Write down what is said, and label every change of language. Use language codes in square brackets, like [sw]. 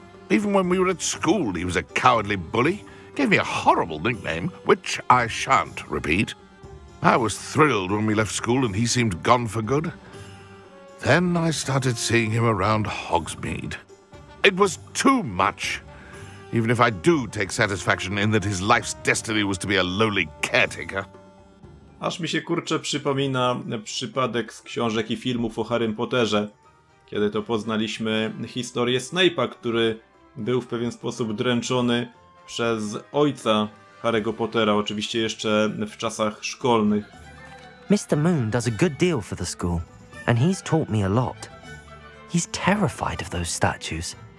[en] Even when we were at school, he was a cowardly bully. Gave me a horrible nickname, which I shan't repeat. I was thrilled when we left school and he seemed gone for good. Then I started seeing him around Hogsmeade. It was too much. Even if I do take satisfaction in that his life's destiny was to be a lowly caretaker. [pl] Aż mi się, kurczę, przypomina przypadek z książek i filmów o Harrym Potterze, kiedy to poznaliśmy historię Snape'a, który był w pewien sposób dręczony przez ojca Harry'ego Pottera, oczywiście jeszcze w czasach szkolnych. [en] Mr. Moon does a good deal for the school, and he's taught me a lot. He's terrified of those statues.